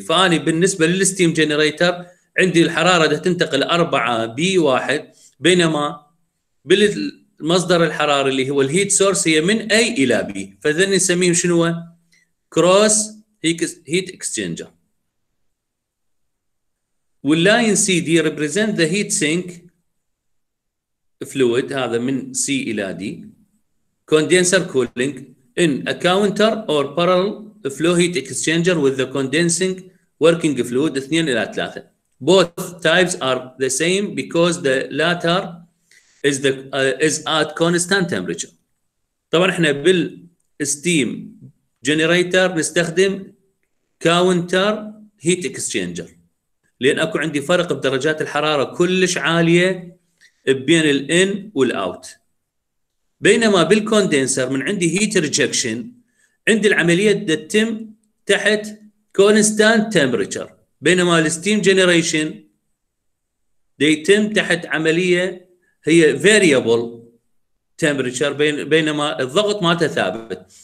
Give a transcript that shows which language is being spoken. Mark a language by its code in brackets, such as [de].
[ar] فأنا بالنسبة للستيم جنريتر عندي الحرارة ده تنتقل 4B1، بينما مصدر الحرارة اللي هو الهيت سورس هي من A إلى B. فذن نسميه شنو؟ كروس هيت اكسشينجر. واللاين C دي [en] represent the heat sink fluid، [ar] هذا من C إلى D. [en] condenser cooling in a counter or parallel flow heat exchanger with the condensing working fluid 2 إلى 3. Both types are the same because the latter is at constant temperature. [ar] طبعا احنا بالستيم جنريتر نستخدم كاونتر هيت اكسشينجر، لان اكو عندي فرق بدرجات الحراره كلش عاليه بين الان والاوت. بينما بالكوندنسر من عندي هيت ريجكشن، عندي العمليه تتم تحت كونستانت تمبريتشر، بينما الستيم جنريشن يتم تحت عمليه هي variable temperature، بينما الضغط ما تثابت.